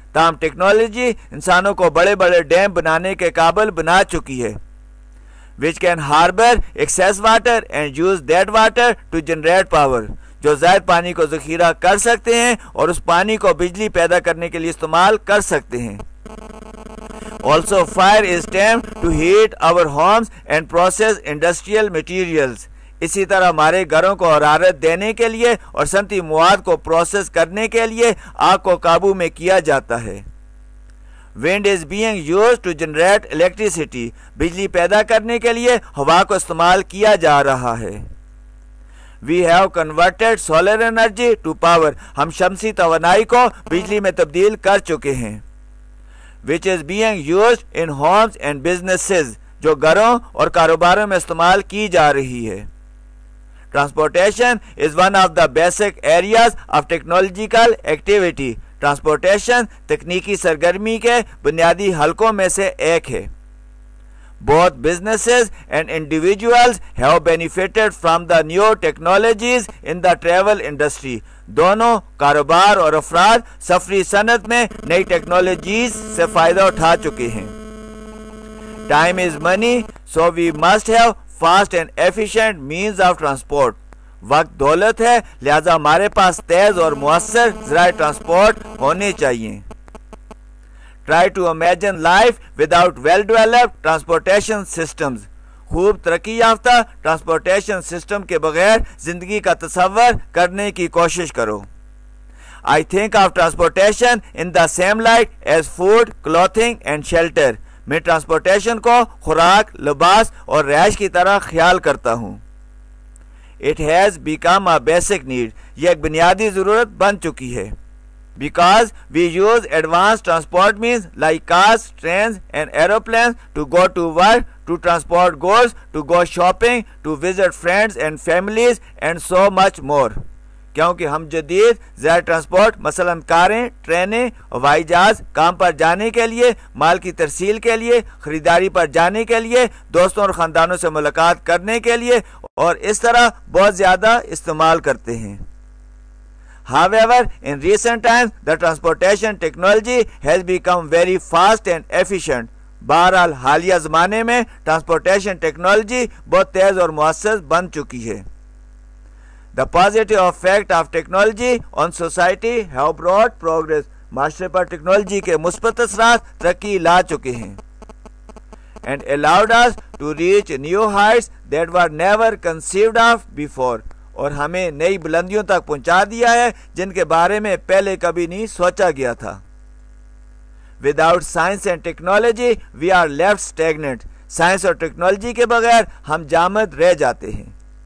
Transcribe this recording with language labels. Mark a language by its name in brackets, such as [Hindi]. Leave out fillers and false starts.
[Urdu] تاہم ٹیکنالوجی انسانوں کو بڑے بڑے ڈیم بنانے کے قابل بنا چکی ہے. [English] Which can harbor excess water and use that water to generate power. [Urdu] جو جو زائد پانی کو ذخیرہ کر سکتے ہیں اور اس پانی کو بجلی پیدا کرنے کے لیے استعمال کر سکتے ہیں. [English] Also, fire is tamed to heat our homes and process industrial materials. [Urdu] اسی طرح ہمارے گھروں کو حرارت دینے کے لیے اور صنعتی مواد کو پروسیس کرنے کے لیے آگ کو قابو میں کیا جاتا ہے. [English] Wind is being used to generate electricity. [Urdu] بجلی پیدا کرنے کے لیے ہوا کو استعمال کیا جا رہا ہے. [English] We have converted solar energy to power. [Urdu] ہم شمسی توانائی کو بجلی میں تبدیل کر چکے ہیں. [English] Which is being used in homes and businesses. [Urdu] جو گھروں اور کاروباروں میں استعمال کی جا رہی ہے. [English] Transportation is one of the basic areas of technological activity. [Urdu] Transportation تکنیکی سرگرمی کے بنیادی حلقوں میں سے ایک ہے. [English] Both businesses and individuals have benefited from the new technologies in the travel industry. [Urdu] دونوں کاروبار اور افراد سفری صنعت میں نئی ٹیکنالوجیز سے فائدہ اٹھا چکے ہیں. [English] Time is money, so we must have fast and efficient means of transport. [Urdu] وقت دولت ہے لہذا ہمارے پاس تیز اور مؤثر ذرائع ٹرانسپورٹ ہونے چاہیے. [English] Try to imagine life without well-developed transportation systems. [Urdu] خوب ترقی یافتہ ٹرانسپورٹیشن سسٹم کے بغیر زندگی کا تصور کرنے کی کوشش کرو. [English] I think of transportation in the same light as food, clothing and shelter. [Urdu] میں ٹرانسپورٹیشن کو خوراک، لباس اور رہائش کی طرح خیال کرتا ہوں. [English] It has become a basic need. [Urdu] یہ ایک بنیادی ضرورت بن چکی ہے. [English] Because we use advanced transport means like cars, trains and aeroplanes to go to work, to transport goods, to go shopping, to visit friends and families and so much more. [Urdu] کیونکہ ہم جدید زیر ٹرانسپورٹ مثلا کاریں، ٹرینیں، ہوائی جہاز کام پر جانے کے لیے، مال کی ترسیل کے لیے، خریداری پر جانے کے لیے، دوستوں اور خاندانوں سے ملاقات کرنے کے لیے اور اس طرح بہت زیادہ استعمال کرتے ہیں. [English] However, in recent times, the transportation technology has become very fast and efficient. [Urdu] بہرحال حالیہ زمانے میں ٹرانسپورٹیشن ٹیکنالوجی بہت تیز اور مؤثر بن چکی ہے. [English] The positive effect of technology on society have brought progress. [Urdu] معاشرے پر ٹیکنالوجی کے مثبت اثرات ترقی لا چکے ہیں. [English] And allowed us to reach new heights that were never conceived of before. [Urdu] اور ہمیں نئی بلندیوں تک پہنچا دیا ہے جن کے بارے میں پہلے کبھی نہیں سوچا گیا تھا. [English] Without science and technology, we are left stagnant. [Urdu] Science اور ٹیکنالوجی کے بغیر ہم جامد رہ جاتے ہیں.